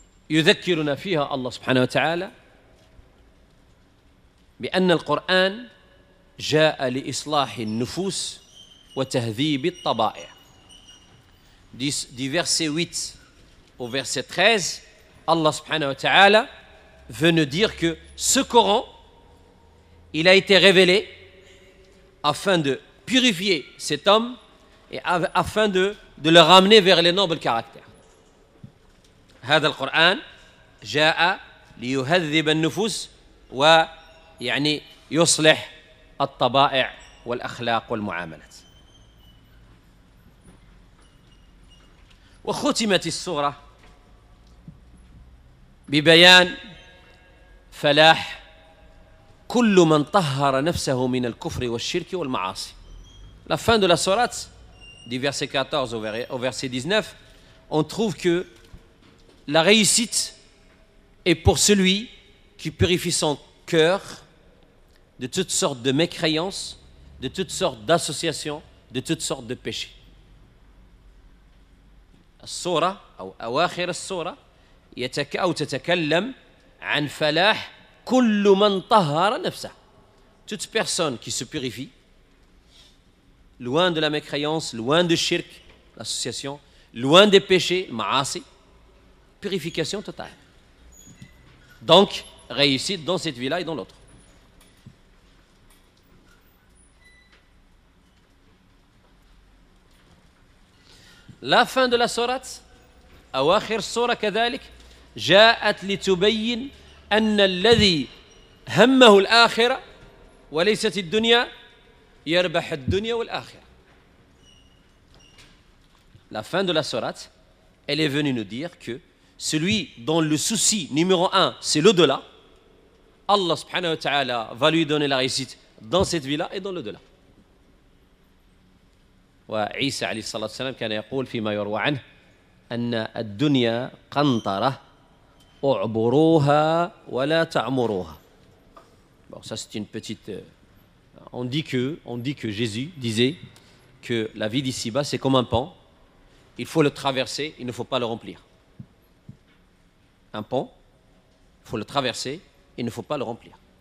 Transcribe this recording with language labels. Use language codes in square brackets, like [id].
[ar] يذكرنا فيها الله سبحانه وتعالى بأن القرآن جاء لإصلاح النفوس وتهذيب الطبائع. [fr] دي verset 8 au verset 13, [ar] الله سبحانه وتعالى [fr] veut nous dire que ce Coran, il a été révélé afin de purifier cet homme et afin de le ramener vers les nobles caractères. [ar] هذا القرآن جاء ليهذب النفوس ويعني يصلح الطبائع والأخلاق والمعاملات. وختمت السورة ببيان فلاح كل من طهر نفسه من الكفر والشرك والمعاصي. [fr] La fin de la sourate, du verset 14 au verset 19, on trouve que la réussite est pour celui qui purifie son cœur de toutes sortes de mécréances, de toutes sortes d'associations, de toutes sortes de péchés. [ar] السورة أو أواخر السورة أو تتكلم عن فلاح كل من طهر نفسه. [fr] Toute personne qui se purifie, loin de la mécréance, loin du shirk, l'association, loin des péchés, ma'asi, purification totale. Donc, réussite dans cette vie-là et dans l'autre. La fin de la sourate, [ar] أواخر السورة كذلك, جاءت لتبين أن الذي همه الآخرة وليست الدنيا يربح الدنيا والآخرة. [fr] La fin de la sourate, elle est venue nous dire que celui dont le souci numéro un, c'est l'au-delà, Allah subhanahu wa ta'ala va lui donner la réussite dans cette vie-là et dans l'au-delà. [ar] وعيسى عليه الصلاة والسلام كان يقول فيما يروى عنه أن الدنيا قنطرة أعبروها ولا تعمروها. [fr] Bon, ça c'est une petite... On dit que Jésus disait que la vie d'ici-bas c'est comme un pont. Il faut le traverser, il ne faut pas le remplir. Un pont, il faut le traverser, il ne faut pas le remplir.